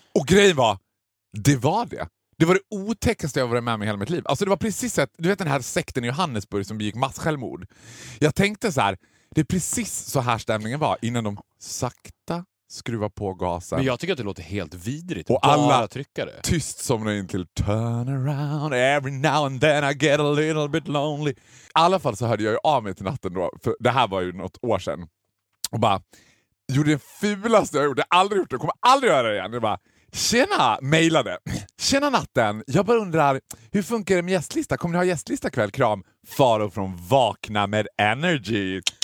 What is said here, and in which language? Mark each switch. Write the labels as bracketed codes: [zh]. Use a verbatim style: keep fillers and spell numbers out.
[sv] Och grejen var, det var det. Det var det otäckaste jag varit med om i hela mitt liv. Alltså det var precis så att, du vet den här sekten i Johannesburg som begick massjälvmord. Jag tänkte så här, det är precis så här stämningen var innan de sakta skruvar på gasen. Men jag tycker att det låter helt vidrigt. Och bara alla tryckare. Tyst somnar in till [en] turn around every now and then I get a little bit lonely. [sv] I alla fall så hörde jag ju av mig till natten då, för det här var ju något år sedan. Och bara, gjorde det fulaste jag gjort. Jag har aldrig gjort det, jag kommer aldrig göra det igen. Det bara, tjena, mejlade. Tjena natten, jag bara undrar, hur funkar det med gästlista? Kommer ni ha gästlista kväll? Kram, Faro från Vakna med Energy.